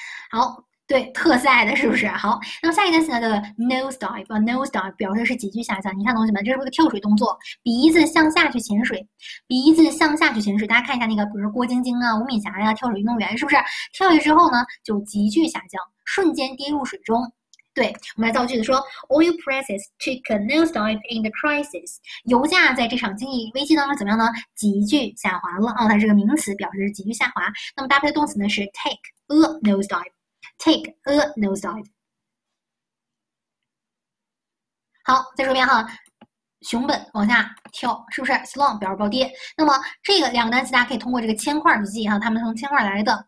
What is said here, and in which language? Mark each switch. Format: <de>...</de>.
<zh>好，对，特 sad 是不是？好，那么下一个单词呢，叫 nosedive，nosedive 表示是急剧下降。你看，同学们，这是不是个跳水动作？鼻子向下去潜水，鼻子向下去潜水。大家看一下那个，比如说郭晶晶啊、吴敏霞呀、啊，跳水运动员，是不是跳下去之后呢，就急剧下降，瞬间跌入水中。</zh> <en>对，我们来造句子，说 oil prices took a nosedive in the crisis。</en> <zh>油价在这场经济危机当中怎么样呢？急剧下滑了啊！它是个名词，表示急剧下滑。那么搭配的动词呢是 take a nosedive，take a nosedive。好，再说一遍哈。熊本往下跳，是不是？slump 表示暴跌。那么这个两个单词，大家可以通过这个铅块去记哈，它们从铅块来的。</zh>